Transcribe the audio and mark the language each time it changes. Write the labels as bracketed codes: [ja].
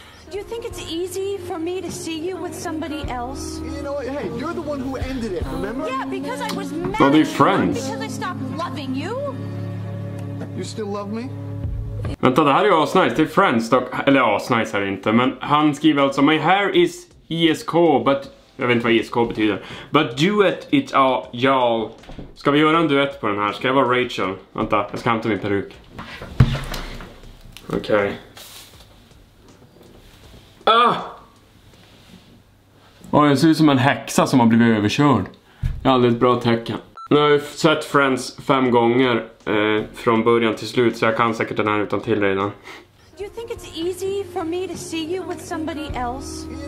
[en] Do you think it's easy for me to see you with somebody else? You know what? Hey, you're the one who ended it, remember? Yeah, because I was mad. Are they friends? Because I stopped loving you. You still love me? [sv] Vänta, det här är ju asnice. Det är friends dock. Eller asnice är det inte. Men han skriver alltså, [en] my hair is ESK, but... [sv] Jag vet inte vad ESK betyder. [en] But duet it all, y'all. [sv] Ska vi göra en duett på den här? Ska jag vara Rachel? Vänta, jag ska hämta min peruk. Okej. Ah! Oj, jag ser ut som en häxa som har blivit överkörd. Jag har aldrig ett bra tecken. Nu har jag sett Friends 5 gånger från början till slut, så jag kan säkert den här utan till redan. [en] Do you think it's easy for me to see you with somebody else?